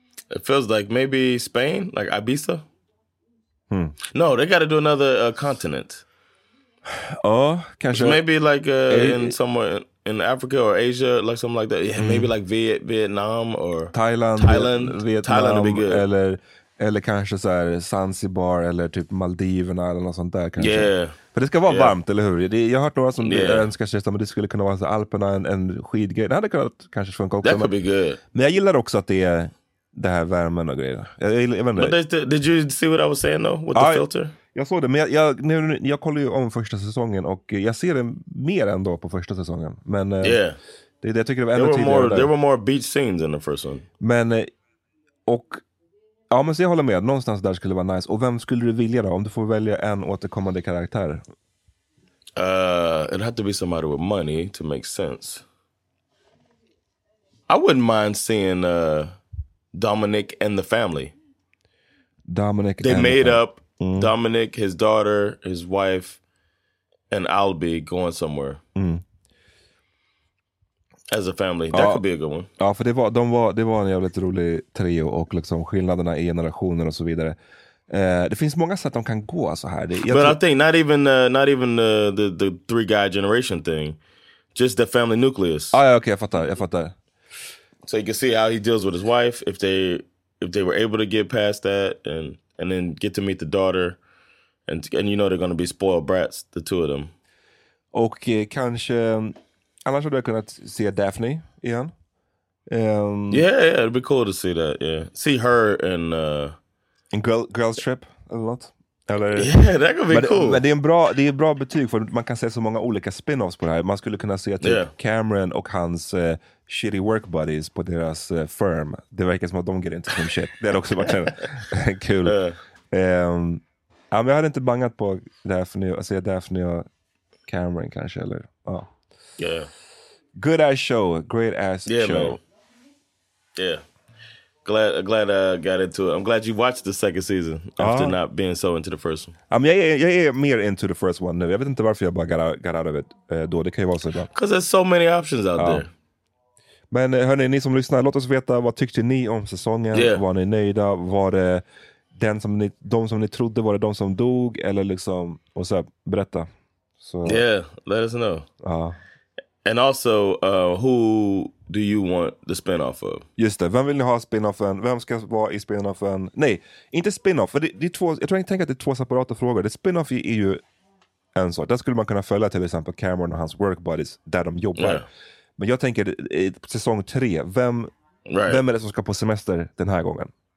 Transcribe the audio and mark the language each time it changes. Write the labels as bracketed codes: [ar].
[en] It feels like maybe Spain, like Ibiza. Hmm. No, they got to do another continent. [sv] Oh, kanske. [en] Maybe like somewhere in Africa or Asia, like something like that. Yeah, maybe like Vietnam or Thailand. Vietnam, Thailand would be good. [sv] Eller kanske så här Zanzibar eller typ Maldiverna eller något sånt där kanske. [en] Yeah. [sv] För det ska vara varmt, eller hur? Jag har hört några som önskar sig, men det skulle kunna vara så Alperna, en skidgrej. Det hade kunnat kanske funka också. [en] That could be good. [sv] Men jag gillar också att det är det här värmen och grejer. [en] Did you see what I was saying though? With the filter? [sv] Jag såg det, men jag kollar ju om första säsongen och jag ser det mer ändå på första säsongen. Men det jag tycker det var ännu [en] tidigare. There were more beach scenes in the first one. [sv] Men, och Ja, men så jag håller med. Någonstans där skulle det vara nice. Och vem skulle du vilja då? Om du får välja en återkommande karaktär. [en] It'd have to be somebody with money to make sense. I wouldn't mind seeing Dominic and the family. Dominic. They made up Dominic, his daughter, his wife, and Albi going somewhere. Mm. As a family, that could be a good one. [sv] Ja, för det var en jävligt rolig trio och liksom skillnaderna i generationer och så vidare. Det finns många sätt de kan gå så här. [en] I think not even the three guy generation thing, just the family nucleus. [sv] Ah, ja, okay, jag fattar. [en] So you can see how he deals with his wife if they were able to get past that and then get to meet the daughter and you know they're gonna be spoiled brats, the two of them. [sv] Okay, kanske. Annars hade jag kunnat se Daphne igen. [en] Yeah, it'd be cool to see that. Yeah, see her and in girls trip a lot. Eller, yeah, that could be [sv] men [en] cool. [sv] Men det är en bra betyg för man kan se så många olika spin-offs på det här. Man skulle kunna se typ Cameron och hans [en] shitty work buddies [sv] på deras firm. Det verkar som att de ger inte som shit. Det är också verkligen kul. [en] Yeah. [sv] Men jag hade inte bangat på Daphne och se Daphne och Cameron kanske eller. Ja. [en] Yeah. Good ass show. Great ass show. Yeah, man. Yeah. Glad I got into it. I'm glad you watched the second season after not being so into the first one. I mean, yeah, mere into the first one. [sv] Jag vet inte varför jag bara [en] got out of it. [sv] Då det kan ju vara så. [en] Because there's so many options out there. [sv] Men hörni, ni som lyssnar, låt oss veta vad tyckte ni om säsongen? [en] Yeah. [sv] Var ni nöjda? Var det de som ni trodde, var det de som dog eller liksom och så berätta. [en] So, yeah, let us know. And also, who do you want the spin-off of? [sv] Just det, vem vill ni ha spin-offen? Vem ska vara i spin-offen? Nej, inte spin-off. För det är två, jag tror inte tänker att det är två separata frågor. Det spin-off är ju en sak. Där skulle man kunna följa till exempel Cameron och hans [en] work buddies [sv] där de jobbar. [en] Yeah. [sv] Men jag tänker, säsong tre, vem är det som ska på semester den här gången?